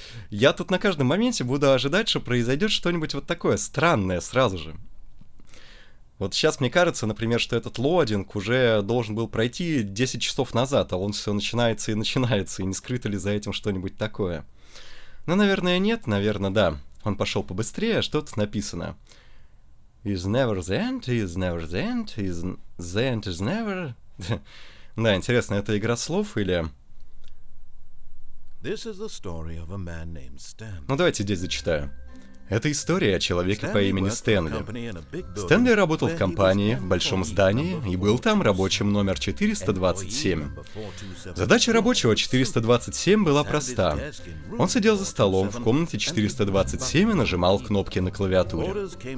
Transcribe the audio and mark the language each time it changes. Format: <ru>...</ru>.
<ru>Я тут на каждом моменте буду ожидать, что произойдет что-нибудь вот такое странное сразу же. Вот сейчас мне кажется, например, что этот лоадинг уже должен был пройти 10 часов назад, а он все начинается и начинается, и не скрыто ли за этим что-нибудь такое. Ну, наверное, нет, наверное, да. Он пошел побыстрее, что тут написано.</ru> <en>Is never the end, is never the end, is the end is never.</en> <ru>Да, интересно, это игра слов или...</ru> <en>This is the story of a man named Stan.</en> <ru>Ну давайте здесь зачитаю. Это история о человеке по имени Стэнли. Стэнли работал в компании в большом здании и был там рабочим номер 427. Задача рабочего 427 была проста. Он сидел за столом в комнате 427 и нажимал кнопки на клавиатуре.</ru>